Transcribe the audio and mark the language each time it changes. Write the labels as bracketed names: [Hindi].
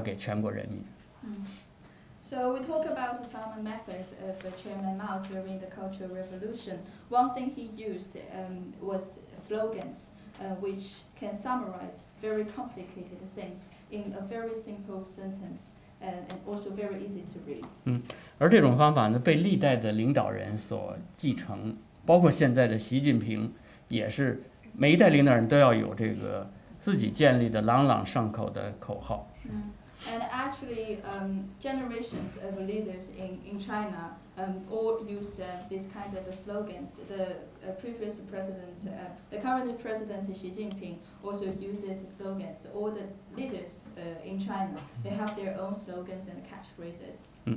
[Chinese] 毛建立了一种口号式的一种方法，这种口号式方法就是说，他一定要把复杂的事情，用最简洁的口号式的，而且是朗朗上口的方法传达给全国人民。 [English] So we talk about some methods of Chairman Mao during the Cultural Revolution. One thing he used was slogans, which can summarize very complicated things in a very simple sentence. And also very easy to read. [Chinese] 而这种方法呢，被历代的领导人所继承，包括现在的习近平，也是每一代领导人都要有这个自己建立的朗朗上口的口号。 [English] And actually, generations of leaders in China all use this kind of slogans. The previous president, the current president Xi Jinping, also uses slogans. All the leaders in China, they have their own slogans and catchphrases.